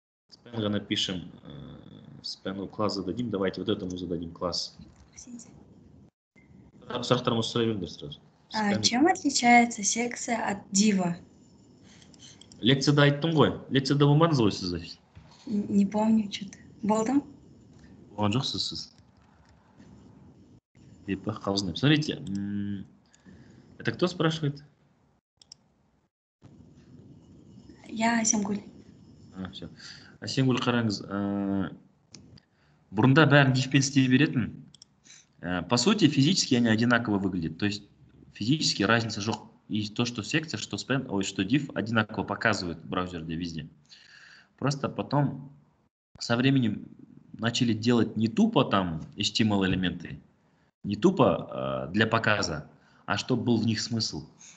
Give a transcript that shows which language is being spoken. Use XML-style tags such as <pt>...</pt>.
<ru>Спенга напишем, Спенгу класс зададим, давайте вот этому зададим класс. С автором устроили сразу. А чем отличается секция от дива?</ru> <kk>Лекция да айттым ғой. Лекция да болмадыңыз ғой сіз.</kk> <ru>Не помню что-то.</ru> <kk>Болдым? Болған жоқсыз сіз. Епа, қалжын.</kk> <ru>Смотрите. Это кто спрашивает? Я Асемгүл. Все. Асемгүл,</ru> <kk>қараңыз. Бұрында бәрін дивпен істей беретін.</kk> <ru>По сути, физически они одинаково выглядят. То есть физически разница</ru> <kk>жоқ.</kk> <ru>И то, что секция, что спен, ой, что div одинаково показывают браузер для везде. Просто потом со временем начали делать не тупо там HTML элементы, не тупо для показа, а чтобы был в них смысл.</ru>